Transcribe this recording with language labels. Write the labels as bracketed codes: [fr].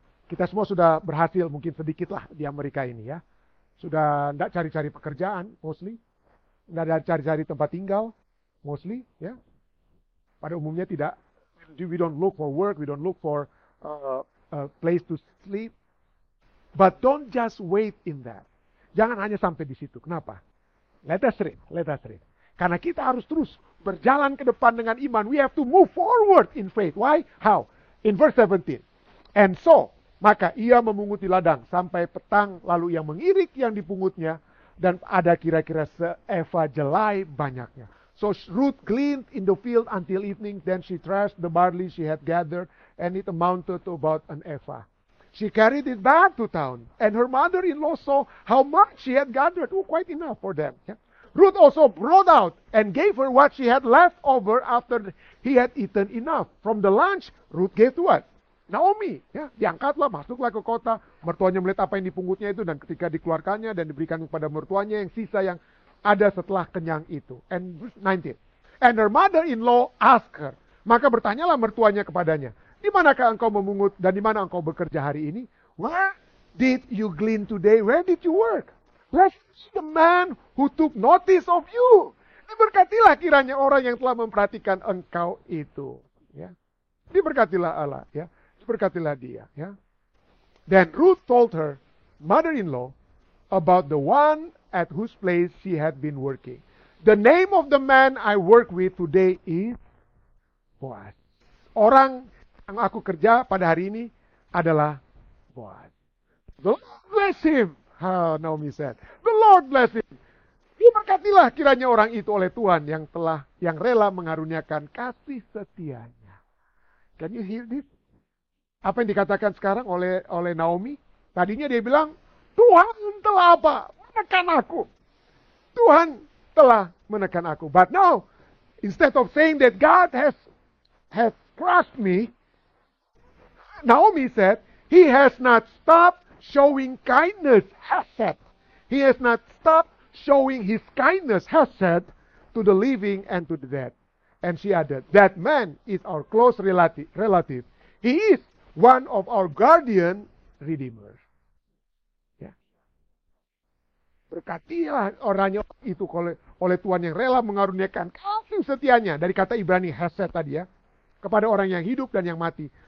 [id] Kita semua sudah berhasil, mungkin sedikit lah di Amerika ini, ya? Sudah tidak cari-cari pekerjaan, mostly. Tidak cari-cari tempat tinggal, mostly, ya? Pada umumnya tidak. [en] We don't look for work, we don't look for a place to sleep. But don't just wait in that. [id] Jangan hanya sampai di situ. Kenapa? [en] Let us read. [id] Karena kita harus terus berjalan ke depan dengan iman. [en] We have to move forward in faith. Why? How? In verse 17. And so, [id] maka ia memunguti ladang sampai petang, lalu ia mengirik yang dipungutnya, dan ada kira-kira seeva jelai banyaknya. [en] So Ruth gleaned in the field until evening, then she threshed the barley she had gathered, and it amounted to about an eva. She carried it back to town, and her mother-in-law saw how much she had gathered. Oh, quite enough for them. Yeah. Ruth also brought out and gave her what she had left over after he had eaten enough. From the lunch, Ruth gave to what? [id] Naomi. Yeah. Diangkatlah, masuklah ke kota. Mertuanya melihat apa yang dipungutnya itu, dan ketika dikeluarkannya dan diberikan kepada mertuanya yang sisa yang ada setelah kenyang itu. [en] And verse 19. And her mother-in-law asked her. [id] Maka bertanyalah mertuanya kepadanya, di manakah engkau memungut dan di mana engkau bekerja hari ini? [en] Where did you glean today? Where did you work? Blessed is the man who took notice of you. [id] Diberkatilah kiranya orang yang telah memperhatikan engkau itu. Ya. Diberkatilah Allah. Ya. Diberkatilah dia. Ya. [en] Then Ruth told her mother-in-law about the one at whose place she had been working. The name of the man I work with today is Boaz. Orang yang aku kerja pada hari ini adalah Boaz. The Lord bless him, Naomi said. The Lord bless him. [id] Diberkatilah kiranya orang itu oleh Tuhan yang telah, yang rela mengaruniakan kasih setianya. [en] Can you hear this? [id] Apa yang dikatakan sekarang oleh Naomi? Tadinya dia bilang, Tuhan telah apa? Menekan aku. Tuhan telah menekan aku. [en] But now, instead of saying that God has crushed me, Naomi said, he has not stopped showing kindness, hesed. He has not stopped showing his kindness, hesed, to the living and to the dead. And she added, that man is our close relative. He is one of our guardian redeemers. [id] Berkatilah orangnya itu oleh Tuhan yang rela mengaruniakan kasih setianya. Dari kata Ibrani, hesed tadi, ya. Kepada orang yang hidup dan yang mati.